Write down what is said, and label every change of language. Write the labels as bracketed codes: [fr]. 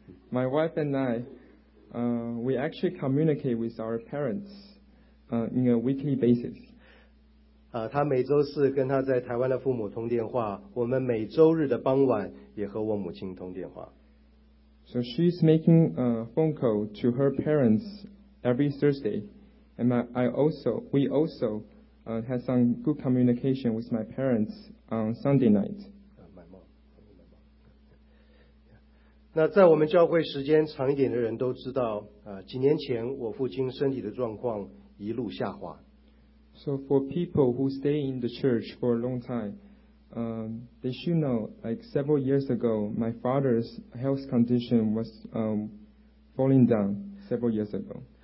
[en] My wife and I, we actually communicate with our parents in a weekly basis. [zh] 她每周四跟她在台湾的父母通电话，我们每周日的傍晚也和我母亲通电话。 [en] So she's making a phone call to her parents every Thursday, and we also had some good communication with my parents on Sunday night. [zh] 那在我们教会时间长一点的人都知道, 几年前我父亲身体的状况一路下滑。 [en] So for people who stay in the church for a long time, they should know, like several years ago, my father's health condition was falling down several years ago.